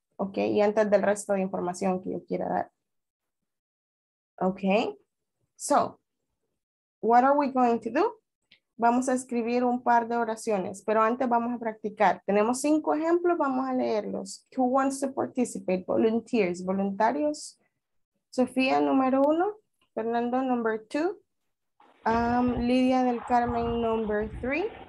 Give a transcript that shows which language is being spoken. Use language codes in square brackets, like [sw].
[es] Ok, y antes del resto de información que yo quiera dar. [en] Ok, so, what are we going to do? [es] Vamos a escribir un par de oraciones, pero antes vamos a practicar. Tenemos 5 ejemplos, vamos a leerlos. [en] Who wants to participate? Volunteers, [es] voluntarios. Sofía, número 1. [en] Fernando, number 2. Lidia del Carmen, number 3.